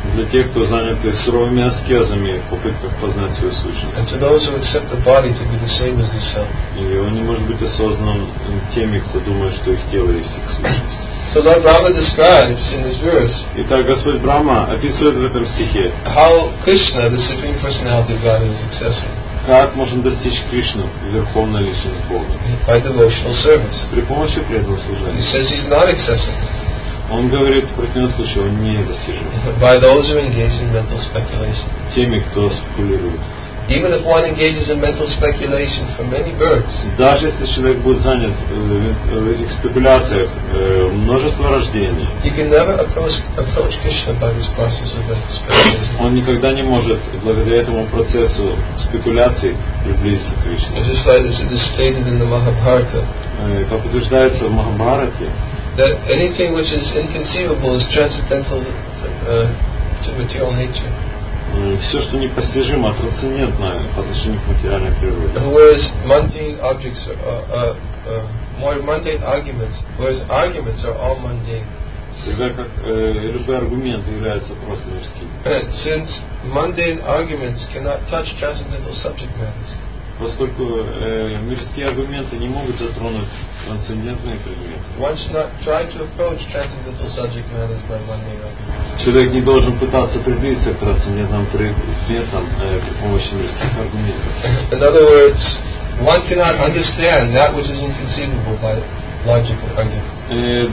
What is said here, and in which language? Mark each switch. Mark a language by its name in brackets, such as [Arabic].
[Russian] Для тех, кто занят суровыми аскезами в попытках познать свою сущность. [English] And to those who accept the body to be the same as the self. [Russian] И он не может быть осознан теми, кто думает, что их тело есть их сущность. [English] So Lord Brahma describes in his verse. [Russian] Итак, Господь Брахма описывает в этом стихе. [English] How Krishna, the Supreme Personality of God, is accessible. [Russian] Как можно достичь Кришну, верховной личности Бога? [English] By devotional service. [Russian] При помощи преданного служения. [English] He says he's not accessible. [Russian] Он говорит в противном случае, он не достижим. [English] By those who engage in mental speculation. [Russian] Теми, кто спекулирует. [English] Even if one engages in mental speculation for many births. [Russian] Даже если человек будет занят в этих спекуляциях множество рождений. [English] He can never approach Krishna by this process of mental speculation. [Russian] Он никогда не может благодаря этому процессу спекуляций приблизиться к Кришне. [English] As it is stated in the Mahabharata. [Russian] Как утверждается в Махабхарате. [English] That anything which is inconceivable is transcendental to material nature. [Russian] Все, что непостижимо, трансцендентно по отношению к материальной природе. [English] Whereas mundane objects are more mundane arguments, whereas arguments are all mundane. [Russian] Тогда как любой аргумент является просто мирским. [English] Since mundane arguments cannot touch transcendental subject matters. [Russian] Поскольку мирские аргументы не могут затронуть трансцендентные предметы. [English] One should not try to approach transcendental subject matters by mundane arguments. [Russian] Человек не должен пытаться приблизиться к трансцендентным предметам при помощи мирских аргументов. [English] In other words, one cannot understand that which is inconceivable by logical argument.